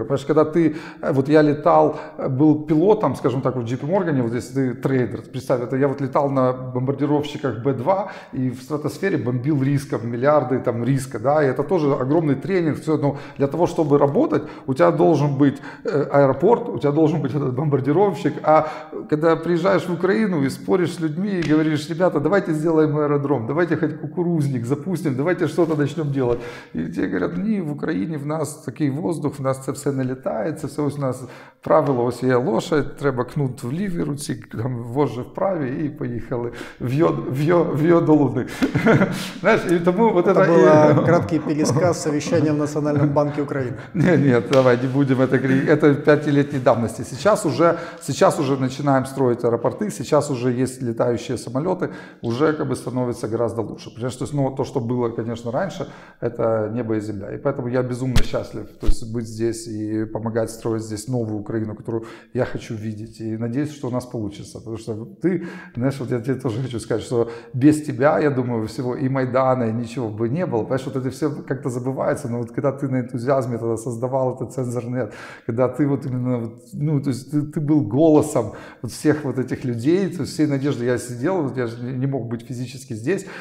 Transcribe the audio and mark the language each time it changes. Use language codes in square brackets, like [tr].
[ru] Потому что когда ты, вот я летал, был пилотом, скажем так, в JP Morgan, вот здесь ты трейдер, представь, это я вот летал на бомбардировщиках B-2 и в стратосфере бомбил рисков, миллиарды там риска, да, и это тоже огромный тренинг, все, но для того, чтобы работать, у тебя должен быть аэропорт, у тебя должен быть этот бомбардировщик, а когда приезжаешь в Украину и споришь с людьми и говоришь, ребята, давайте сделаем аэродром, давайте хоть кукурузник запустим, давайте что-то начнем делать. И тебе говорят, [uk] не, в Украине в нас такий воздух, в нас це все не літає, це все у нас правило, ось є лошадь, треба кнут в лівій руці, там вожжі в правій, і поїхали в'є до Луни. Знаєш, і тому от це... Це був краткий пересказ совещання в Національному банку України. Ні, давай, не будемо це крити. Це 5-літній давності. Зараз вже починаємо строїти аеропорти, зараз вже є літаючі самоліти, вже якби становиться гораздо краще. Тобто, ну, то, що було, звісно, раніше, це небо і земля. І тому я безумно щасливий. Счастлив [ru] то есть быть здесь и помогать строить здесь новую Украину, которую я хочу видеть. И надеюсь, что у нас получится. Потому что ты, знаешь, вот я тебе тоже хочу сказать, что без тебя, я думаю, всего и Майдана, и ничего бы не было. Понимаешь, вот это все как-то забывается. Но вот когда ты на энтузиазме тогда создавал этот цензорнет, когда ты вот именно, ну, то есть ты был голосом вот всех вот этих людей, то есть всей надежды я сидел, вот я же не мог быть физически здесь.